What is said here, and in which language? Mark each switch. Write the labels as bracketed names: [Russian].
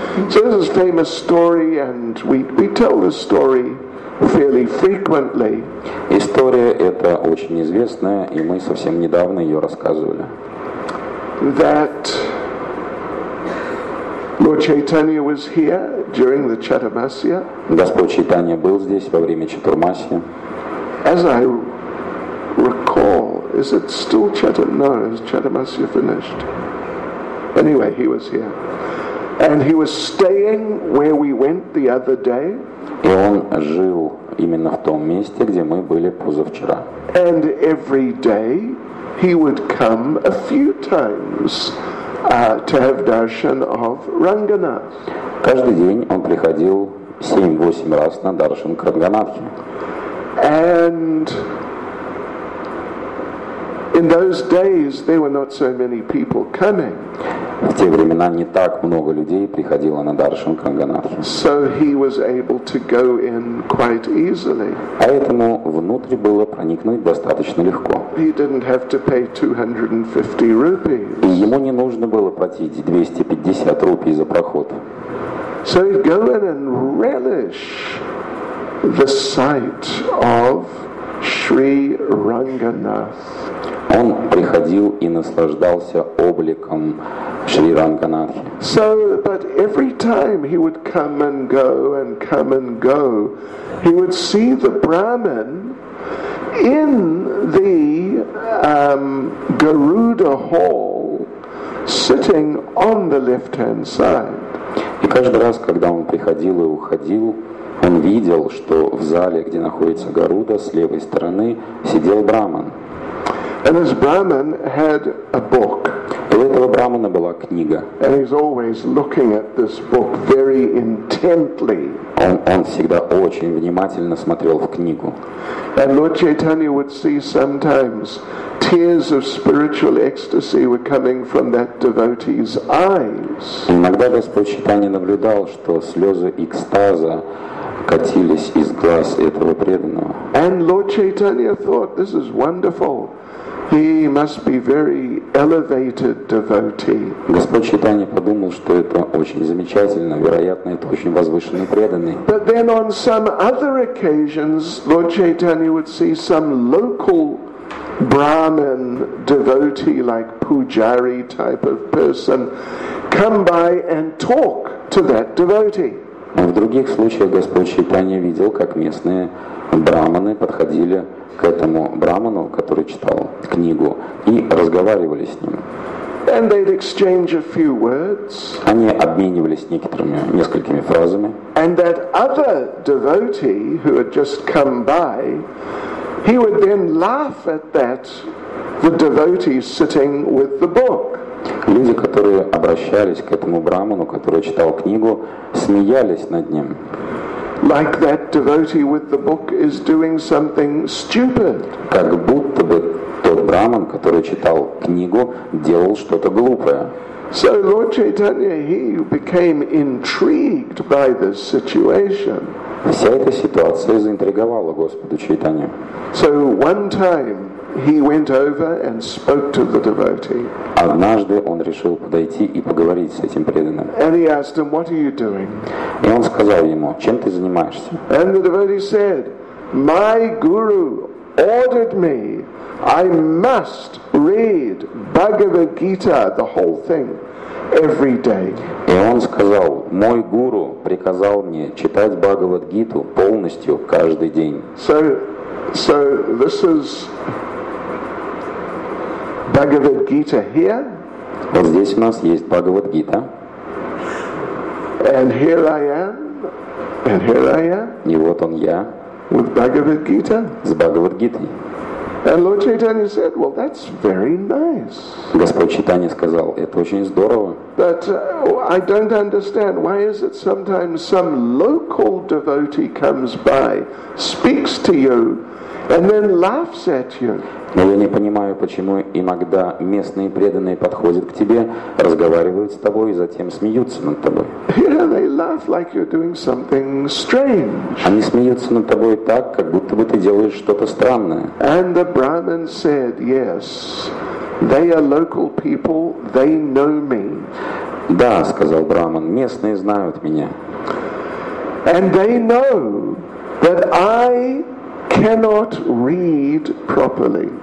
[English] So this is a famous story, and we tell the story fairly frequently. [Russian] История эта очень известная, и мы совсем недавно ее рассказывали. [English] That Lord Chaitanya was here during the Chaturmasya. [Russian] Господь Чайтанья был здесь во время Чатурмасьи. [English] As I recall, is it still Chatur? No, is Chaturmasya finished? Anyway, he was here. And he was staying where we went the other day. [Russian] И он жил именно в том месте, где мы были позавчера. [English] And every day he would come a few times to have darshan of Ranganath. [Russian] Каждый день он приходил 7-8 раз на даршан к Ранганатхе. [English] And in those days there were not so many people coming. [Russian] В те времена не так много людей приходило на даршан к Ранганатхе. [English] So he was able to go in quite easily. [Russian] Поэтому внутрь было проникнуть достаточно легко. [English] He didn't have to pay 250 rupees. [Russian] И ему не нужно было платить 250 рупий за проход. [English] So he'd go in and relish the sight of Sri Ranganath. [Russian] Он приходил и наслаждался обликом Шри Ранганатхи. [English] So, but every time he would come and go and come and go, he would see the Brahmin in the Garuda hall sitting on the left hand side. [Russian] И каждый раз, когда он приходил и уходил, он видел, что в зале, где находится Гаруда, с левой стороны сидел Брахман. [English] And this Brahmin had a book. [Russian] И у этого Брахмана была книга. [English] And he's always looking at this book very intently. [Russian] Он всегда очень внимательно смотрел в книгу. [English] And Lord Chaitanya would see sometimes tears of spiritual ecstasy were coming from that devotee's eyes. [Russian] Иногда Господь Чайтанья наблюдал, что слезы экстаза катились из глаз этого преданного. [English] And Lord Chaitanya thought, this is wonderful. He must be very elevated devotee. [Russian] Господь Чайтанья подумал, что это очень замечательно, вероятно, это очень возвышенный преданный. [English] But then on some other occasions, Lord Chaitanya would see some local Brahmin devotee, like pujari type of person, come by and talk to that devotee. [Russian] Но в других случаях Господь Чайтанья видел, как местные брахманы подходили к этому брахману, который читал книгу, и разговаривали с ним. [English] And they'd exchange a few words. [Russian] Они обменивались несколькими фразами. [English] And that other devotee who had just come by, he would then laugh at that, the devotee sitting with the book. [Russian] Люди, которые обращались к этому брахману, который читал книгу, смеялись над ним. [English] Like that devotee with the book is doing something stupid. [Russian] Как будто бы тот брахман, который читал книгу, делал что-то глупое. [English] So Lord Chaitanya, he became intrigued by this situation. [Russian] Вся эта ситуация заинтриговала Господа Чайтанью. [English] So one time he went over and spoke to the devotee. [Russian] Однажды он решил подойти и поговорить с этим преданным. [English] And he asked him, "What are you doing?" [Russian] И он сказал ему, чем ты занимаешься? [English] And the devotee said, "My guru ordered me, I must read Bhagavad Gita, the whole thing, every day." [Russian] И он сказал, мой гуру приказал мне читать Бхагавад Гиту полностью каждый день. [English] So this is Bhagavad Gita here. [Russian] Вот здесь у нас есть Бхагавад Гита. [English] And here I am. And here I am. [Russian] И вот он я. [English] With Bhagavad Gita. [Russian] С Бхагавад Гитой. [English] And Lord Chaitanya said, "Well, that's very nice." [Russian] Господь Чайтанья сказал, это очень здорово. [English] But I don't understand. Why is it sometimes some local devotee comes by, speaks to you, and then laughs at you? [Russian] Но я не понимаю, почему иногда местные преданные подходят к тебе, разговаривают с тобой и затем смеются над тобой. [English] Yeah, they laugh like you're doing something strange. [Russian] Они смеются над тобой так, как будто бы ты делаешь что-то странное. [English] And the Brahmin said, "Yes, they are local people. They know me." [Russian] Да, сказал Брахман, местные знают меня. [English] And they know that I cannot read properly.